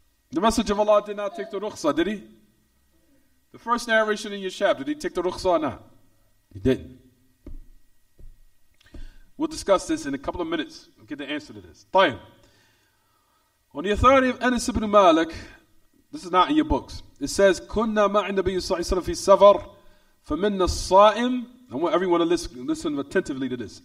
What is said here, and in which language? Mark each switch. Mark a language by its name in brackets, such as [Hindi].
[English] The Messenger of Allah did not take the rukhsa, did he? The first narration in Yashab, did he take the rukhsa or not? He didn't. We'll discuss this in a couple of minutes. We'll get the answer to this. [Arabic] طيب. [English] On the authority of Anas ibn Malik, this is not in your books. It says, [Arabic] كُنَّا مَعِ النَّبِيُّ صَلَّى اللَّهُ عَلَيْهِ وَسَلَّمَ فِي السَّفَرِ فَمِنَّا الصَّائِمِ. [English] I want everyone to listen attentively to this.